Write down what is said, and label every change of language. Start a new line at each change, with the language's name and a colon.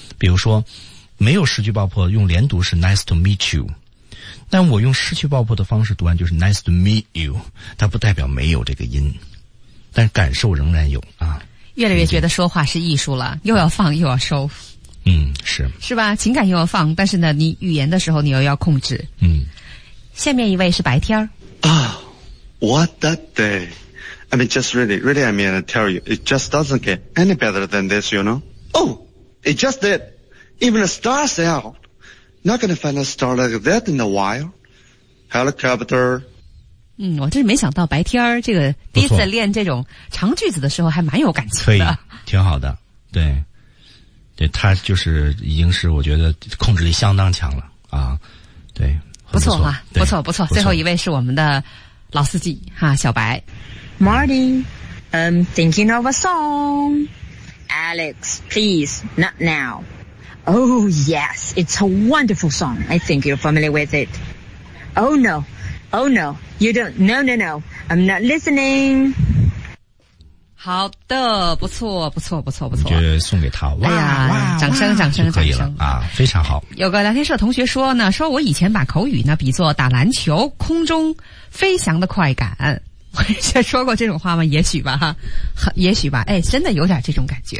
Chinese: 比如说没有失去爆破用连读是
English: nice to meet you，
Chinese: 但我用失去爆破的方式读完就是
English: nice to meet you，
Chinese: 它不代表没有这个音，但感受仍然有啊。越来越觉得说话是艺术了，又要放又要收。嗯，是。是吧？情感又要放，但是呢，你语言的时候你又要控制。嗯。下面一位是白天儿。
English: Oh, what the day? I mean, just really, really, I mean, I tell you, it just doesn't get any better than this, you know? Oh, it just did. Even a star's out. Not gonna find a star like that in a while. Helicopter.
Chinese: 嗯，我真是没想到白天儿这个第一次练这种长句子的时候还蛮有感情的。可以，挺好的。对，对他就是已经是我觉得控制力相当强了啊。对，不错嘛，不错不错。最后一位是我们的老司机哈，小白。
English: Marty, I'm thinking of a song. Alex, please, not now. Oh yes, it's a wonderful song. I think you're familiar with it. Oh no. Oh no, you don't, no no no, I'm not listening.
Chinese: 好的，不错不错不错不错。就送给他，哇、哎、呀，掌声掌声可以了啊，非常好。有个聊天社同学说呢，说我以前把口语呢比作打篮球空中飞翔的快感。我以前说过这种话吗？也许吧，也许吧，哎，真的有点这种感觉。